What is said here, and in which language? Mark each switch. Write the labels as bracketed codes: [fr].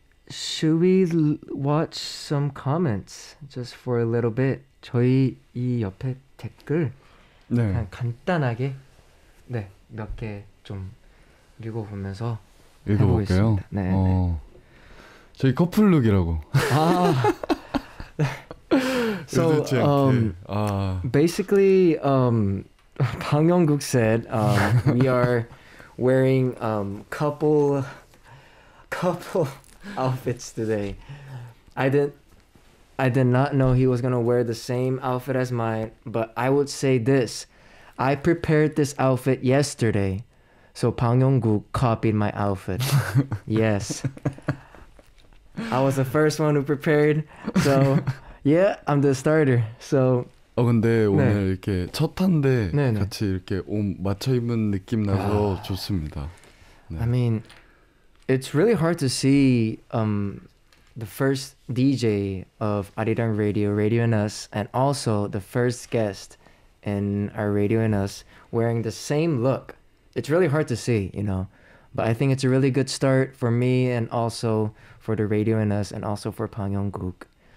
[en] Should we watch some comments just for a little bit? [ko] 저희 이 옆에 댓글 네. 그냥 간단하게 네, 몇 개 좀 읽어보면서 읽어볼게요. 네, 저희 커플룩이라고. 아. [en] So, basically, Bang Yong-guk said we are wearing couple outfits today. I did not know he was gonna wear the same outfit as mine, but I would say this: I prepared this outfit yesterday, so Bang Yong-guk copied my outfit. Yes, I was the first one who prepared, so. Yeah, I'm the starter. So. [ko] 근데 오늘 네. 이렇게 첫 한데 네, 네. 같이 이렇게 옷 맞춰 입은 느낌 나서 좋습니다. [en] 네. I mean, it's really hard to see the first DJ of Arirang Radio, Radio and Us, and also the first guest in our Radio and Us wearing the same look. It's really hard to see, you know. But I think it's a really good start for me and also for the Radio and Us and also for Bang Yong-guk.